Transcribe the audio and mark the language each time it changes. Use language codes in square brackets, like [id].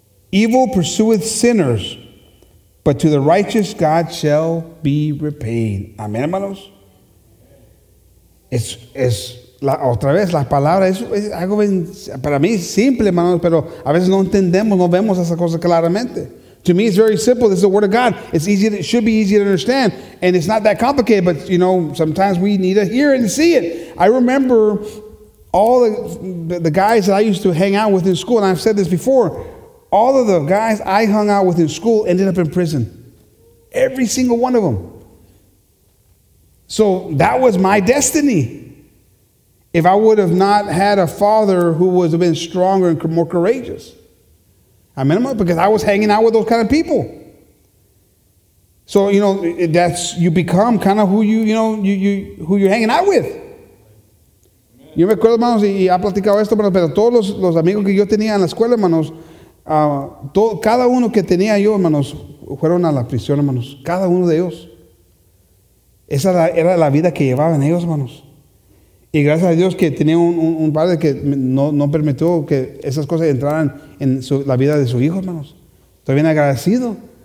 [en] Evil pursueth sinners, but to the righteous God shall be repaid." [es] Amén, hermanos. Es la, otra vez, la palabra es algo bien, para mí simple, hermanos, pero a veces no entendemos, no vemos esas cosas claramente. [en] To me, it's very simple. This is the word of God. It's easy. It should be easy to understand. And it's not that complicated, but, you know, sometimes we need to hear it and see it. I remember all the guys that I used to hang out with in school, and I've said this before, all of the guys I hung out with in school ended up in prison. Every single one of them. So that was my destiny. If I would have not had a father who would have been stronger and more courageous. I mean, because I was hanging out with those kind of people. So, you know, that's, you become kind of who you, you know, you who you're hanging out with. Amen. [es] Yo me acuerdo, hermanos, y ha platicado esto, pero todos los amigos que yo tenía en la escuela, hermanos, cada uno que tenía yo, hermanos, fueron a la prisión, hermanos. Cada uno de ellos. Esa era la vida que llevaban ellos, hermanos. Y gracias a Dios que tenía un padre que no permitió que esas cosas entraran en la vida de su hijo, hermanos. Estoy bien agradecido.